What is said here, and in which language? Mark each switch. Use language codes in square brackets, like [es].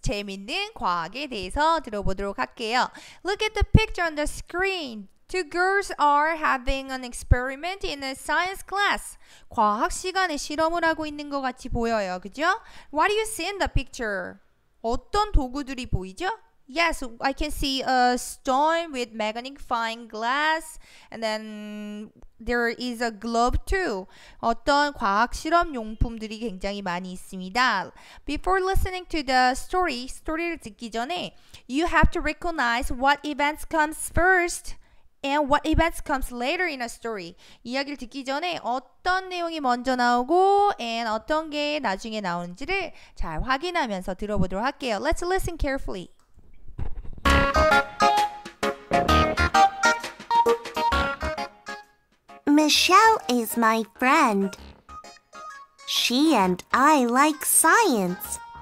[ko] 재밌는 과학에 대해서 들어보도록 할게요. [en] Look at the picture on the screen. Two girls are having an experiment in a science class. [ko] 과학 시간에 실험을 하고 있는 것 같이 보여요, 그죠? [en] What do you see in the picture? [ko] 어떤 도구들이 보이죠? [en] Yes, I can see a stone with magnifying glass, and then there is a globe too. [ko] 어떤 과학 실험 용품들이 굉장히 많이 있습니다. [en] Before listening to the story [ko] 를 듣기 전에, [en] you have to recognize what events comes first and what events comes later in a story. [ko] 이야기를 듣기 전에 어떤 내용이 먼저 나오고 and 어떤 게 나중에 나오는지를 잘 확인하면서 들어보도록 할게요. [en] Let's listen carefully. Michelle is my friend. She and I like science.